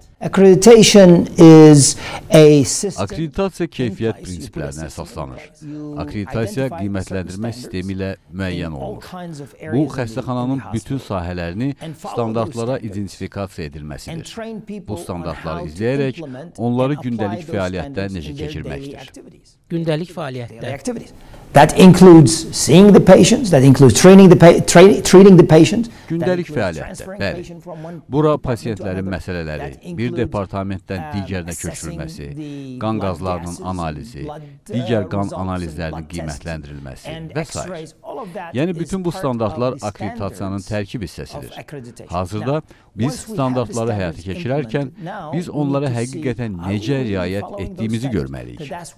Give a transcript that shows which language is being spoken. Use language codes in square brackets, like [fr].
[az] Akreditasiya keyfiyyət prinsiplərinə əsaslanır. Akreditasiya qiymətləndirmə sistemi ilə müəyyən olur. Bu, xəstəxananın bütün sahələrini standartlara identifikasiya edilməsidir. Bu standartları izləyərək, onları gündəlik fəaliyyətdə necə keçirməkdir. Gündəlik fəaliyyətdə. [en] That includes seeing the patients, that includes training the treating the patient. [az] Gündəlik fəaliyyətdə. Bəli. Bura pasientlərin məsələləri, bir departamentdən digərinə köçürülməsi, qan qazlarının analizi, digər qan analizlərinin qiymətləndirilməsi və s. Yəni bütün bu standartlar akreditasiyanın tərkib hissəsidir. Hazırda biz standartları həyata keçirərkən biz onlara həqiqətən necə riayət etdiyimizi görməliyik.